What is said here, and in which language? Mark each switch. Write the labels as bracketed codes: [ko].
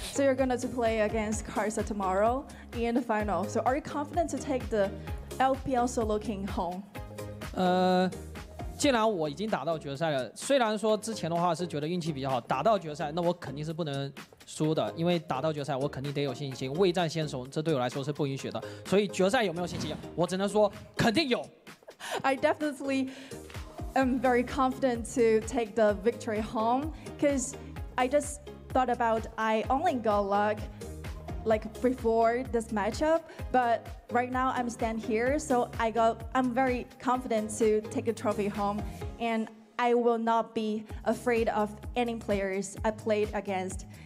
[en] So you're going to play against Kasa tomorrow in the final. So are you confident to take the LPL Solo King home? [zh] 既然我已经打到决赛了，虽然说之前的话是觉得运气比较好，打到决赛，那我肯定是不能输的，因为打到决赛我肯定得有信心，未战先手这对我来说是不允许的，所以决赛有没有信心，我只能说肯定有。 [en] I definitely am very confident to take the victory home, because I just thought about I only got luck like before this matchup, but right now I'm stand here, so I'm very confident to take a trophy home, and I will not be afraid of any players I played against.